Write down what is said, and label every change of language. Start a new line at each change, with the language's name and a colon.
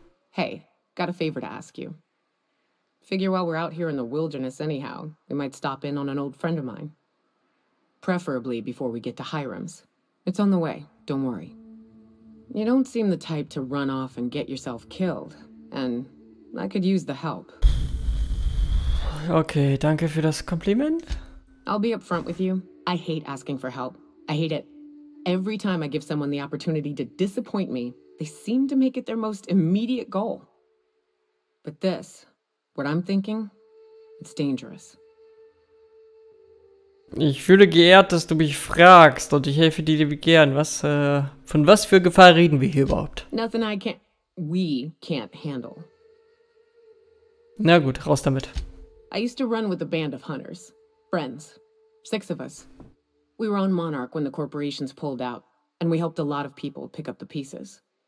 English: Hey, got a favor to ask you. Figure while we're out here in the wilderness anyhow, we might stop in on an old friend of mine. Preferably before we get to Hiram's. It's on the way, don't worry. You don't seem the type to run off and get yourself killed. And I could use the help.
German: Okay, danke für das Kompliment.
English: I'll be upfront with you. I hate asking for help. I hate it. Every time I give someone the opportunity to disappoint me, they seem to make it their most immediate goal. But this, what I'm thinking, it's dangerous.
German: Ich fühle geehrt, dass du mich fragst und ich helfe dir gern. Was, von was für Gefahr reden wir hier überhaupt?
English: Nothing I can't, we can't handle.
German: Na gut, raus damit.
English: I used to run with a band of hunters. Friends. Six of us. We were on Monarch when the corporations pulled out, and we helped a lot of people pick up the pieces.